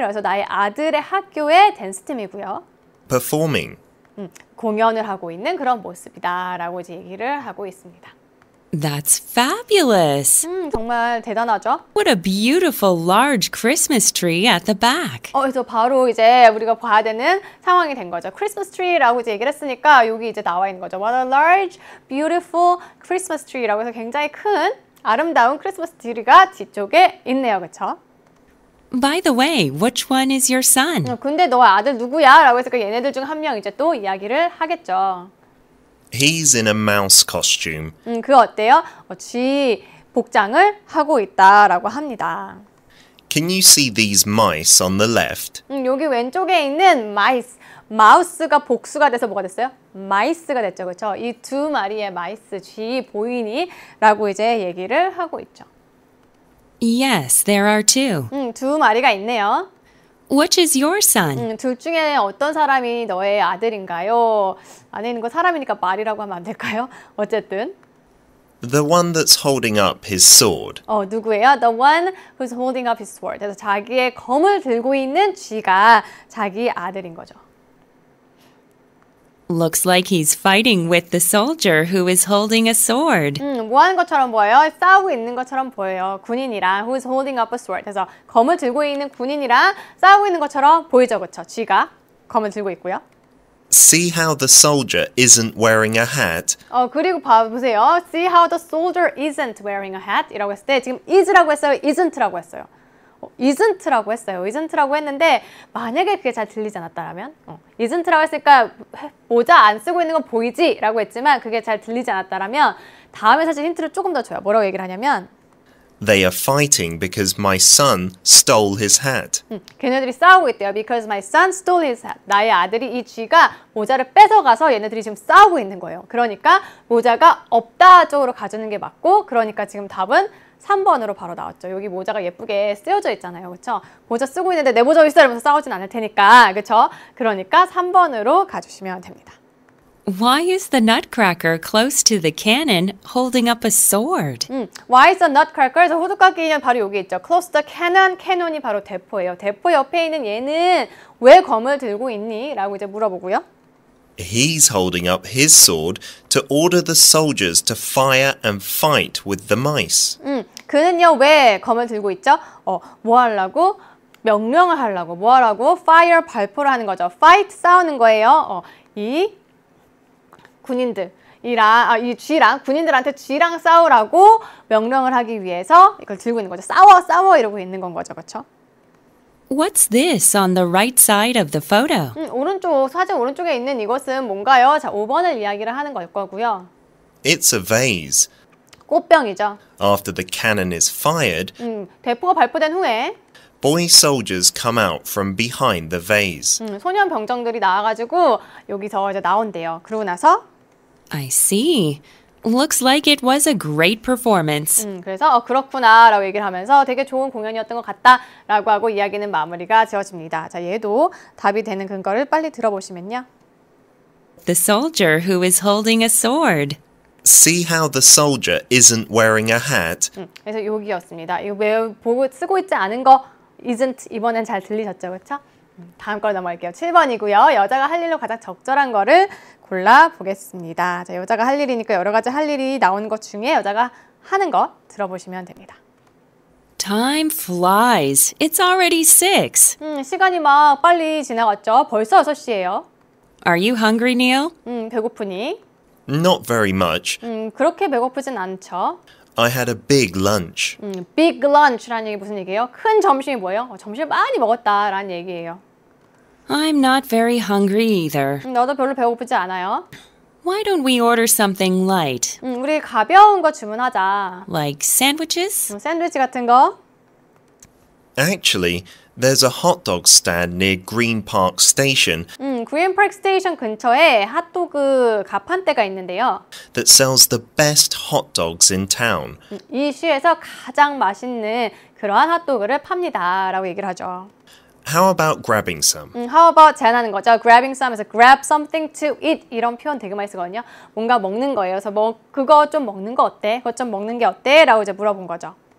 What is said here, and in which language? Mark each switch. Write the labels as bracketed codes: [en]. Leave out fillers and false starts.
[ko] 그래서 나의 아들의 학교의 댄스 팀이고요. [en] Performing. [ko] 공연을 하고 있는 그런 모습이다라고 얘기를 하고 있습니다. [en] That's fabulous. [ko] 정말 대단하죠? [en] What a beautiful large Christmas tree at the back. [ko] 그래서 바로 이제 우리가 봐야 되는 상황이 된 거죠. Christmas tree라고 이제 얘기를 했으니까 여기 이제 나와 있는 거죠. [en] What a large, beautiful Christmas tree [ko] 라고 해서 굉장히 큰 아름다운 크리스마스 트리가 뒤쪽에 있네요. 그렇죠? [en] By the way, which one is your son? [ko] 근데 너 아들 누구야? 라고 해서 그 얘네들 중 한 명 이제 또 이야기를 하겠죠. [en] He's in a mouse costume. [ko] 그 어때요? 쥐 복장을 하고 있다라고 합니다. [en] Can you see these mice on the left? [ko] 여기 왼쪽에 있는 mice, 마우스가 복수가 돼서 뭐가 됐어요? mice가 됐죠, 그렇죠? 이 두 마리의 mice, 쥐 보이니? 라고 이제 얘기를 하고 있죠. [en] Yes, there are two. [ko] 두 마리가 있네요. [en] Which is your son? [ko] 둘 중에 어떤 사람이 너의 아들인가요? 안에 있는 거 사람이니까 말이라고 하면 안 될까요? 어쨌든 [en] The one that's holding up his sword. [ko] 누구예요? [en] The one who's holding up his sword. [ko] 그래서 자기의 검을 들고 있는 쥐가 자기 아들인 거죠. [en] Looks like he's fighting with the soldier who is holding a sword. [ko] 뭐 하는 것처럼 보여요? 싸우고 있는 것처럼 보여요. 군인이랑 [en] who is holding up a sword. [ko] 그래서 검을 들고 있는 군인이랑 싸우고 있는 것처럼 보이죠, 그렇죠? 쥐가 검을 들고 있고요. [en] See how the soldier isn't wearing a hat. [ko] 그리고 봐보세요. [en] See how the soldier isn't wearing a hat. [ko] 이라고 했을 때 지금 is라고 했어요? isn't라고 했어요? isn't라고 했어요. isn't라고 했는데 만약에 그게 잘 들리지 않았다면 isn't라고 했으니까 모자 안 쓰고 있는 건 보이지? 라고 했지만 그게 잘 들리지 않았다면 다음에 사실 힌트를 조금 더 줘요. 뭐라고 얘기를 하냐면 [en] They are fighting because my son stole his hat. [ko] 걔네들이 싸우고 있대요. [en] Because my son stole his hat. [ko] 나의 아들이 이 쥐가 모자를 뺏어가서 얘네들이 지금 싸우고 있는 거예요. 그러니까 모자가 없다 쪽으로 가주는 게 맞고 그러니까 지금 답은 3번으로 바로 나왔죠. 여기 모자가 예쁘게 쓰여져 있잖아요. 그렇죠? 모자 쓰고 있는데 내 모자 있어? 이러면서 싸우진 않을 테니까. 그렇죠? 그러니까 3번으로 가주시면 됩니다. [en] Why is the nutcracker close to the cannon holding up a sword? Why is the nutcracker? [ko] 호두까기 인형 바로 여기 있죠. [en] Close to the cannon. [ko] 캐논이 바로 대포예요. 대포 옆에 있는 얘는 왜 검을 들고 있니? 라고 이제 물어보고요. [en] He's holding up his sword to order the soldiers to fire and fight with the mice. [ko] 그는요, 왜 검을 들고 있죠? 뭐 하려고? 명령을 하려고. 뭐 하라고? Fire, 발포를 하는 거죠. Fight, 싸우는 거예요. 이 군인들이랑, 이 쥐랑, 군인들한테 쥐랑 싸우라고 명령을 하기 위해서 이걸 들고 있는 거죠. 싸워, 싸워 이러고 있는 건 거죠, 그렇죠? [en] What's this on the right side of the photo? [ko] 오른쪽 사진 오른쪽에 있는 이것은 뭔가요? 자, 5번을 이야기를 하는 걸 거고요. [en] It's a vase. [ko] 꽃병이죠. [en] After the cannon is fired. [ko] 대포가 발포된 후에 [en] Boy soldiers come out from behind the vase. [ko] 소년 병정들이 나와 가지고 여기서 이제 나온대요. 그러고 나서 [en] I see. Looks like it was a great performance. [ko] 그래서 그렇구나라고 얘기를 하면서 되게 좋은 공연이었던 것 같다라고 하고 이야기는 마무리가 지어집니다. 자, 얘도 답이 되는 근거를 빨리 들어보시면요. [en] The soldier who is holding a sword. See how the soldier isn't wearing a hat. [ko] 그래서 여기였습니다. 이거 왜 보고 쓰고 있지 않은 거 isn't 이번엔 잘 들리셨죠, 그렇죠? 다음 걸 넘어갈게요. 7번이고요. 여자가 할 일로 가장 적절한 거를 골라보겠습니다. 자, 여자가 할 일이니까 여러 가지 할 일이 나온 것 중에 여자가 하는 거 들어보시면 됩니다. [en] Time flies. It's already 6. [ko] 시간이 막 빨리 지나갔죠. 벌써 6시예요. [en] Are you hungry, Neil? [ko] 배고프니? [en] Not very much. [ko] 그렇게 배고프진 않죠. [en] I had a big lunch. [ko] Big lunch라는 얘기 무슨 얘기예요? 큰 점심이 뭐예요? 점심 많이 먹었다라는 얘기예요. [en] I'm not very hungry either. [ko] 너도 별로 배고프지 않아요. [en] Why don't we order something light? [ko] 우리 가벼운 거 주문하자. [en] Like sandwiches? [ko] 샌드위치 같은 거. [en] Actually, there's a hot dog stand near Green Park Station. [ko] Green Park Station 근처에 핫도그 가판대가 있는데요. [en] That sells the best hot dogs in town. [ko] 이 시에서 가장 맛있는 그러한 핫도그를 팝니다라고 얘기를 하죠. [en] How about grabbing some? How about [ko] 제안하는 거죠. [en] Grabbing some [ko] 에서 [en] grab something to eat [ko] 이런 표현 되게 많이 쓰거든요. 뭔가 먹는 거예요. 그래서 뭐 그거 좀 먹는 거 어때? 그거 좀 먹는 게 어때? 라고 이제 물어본 거죠.